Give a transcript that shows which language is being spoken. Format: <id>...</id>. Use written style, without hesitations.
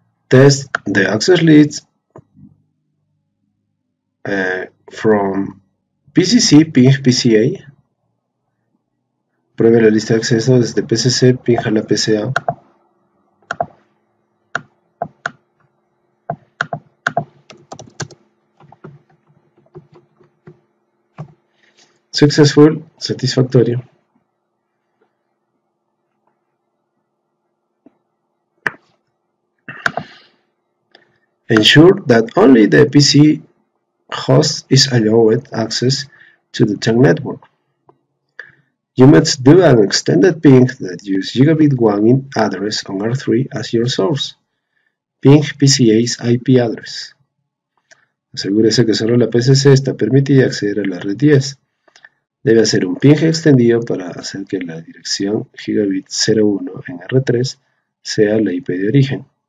<en>Test the access list from PCC, ping PCA.</en> <es>Pruebe la lista de acceso desde PCC, ping a la PCA.</es> <en>Successful,</en> <es>satisfactorio.</es> <en>Ensure that only the PC host is allowed access to the TEC network. You must do an extended ping that uses Gigabit 1 in address on R3 as your source. Ping PCA's IP address.</en> <es>Asegúrese que solo la PCC está permitida acceder a la red 10. Debe hacer un ping extendido para hacer que la dirección Gigabit 01 en R3 sea la IP de origen.</es>